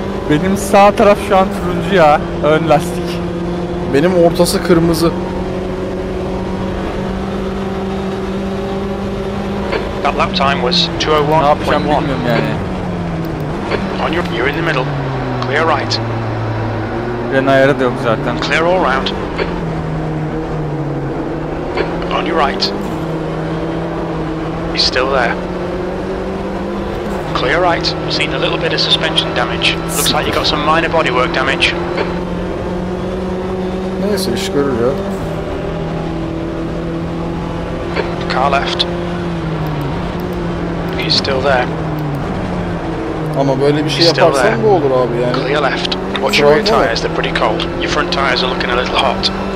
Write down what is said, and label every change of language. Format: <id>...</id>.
<tr>Benim sağ taraf şu an turuncu ya, ön lastik. Benim ortası kırmızı.</tr> <en>That lap time was 201.</en> <tr>Ne yapacağım bilmiyorum yani.</tr> <en>On your, you're in the middle. Clear right. Ben ayarı da yok zaten. Clear all round. On your right. He's still there. Clear right. Seen a little bit of suspension damage. Looks like you got some minor bodywork damage.</en> <tr>Neyse, iş görür ya.</tr> <en>Car left. He's still there.</en> <tr>Ama böyle bir şey yaparsan bu olur abi yani.</tr> <en>Clear left. Watch your rear tires, they're pretty cold. Your front tires are looking a little hot.</en>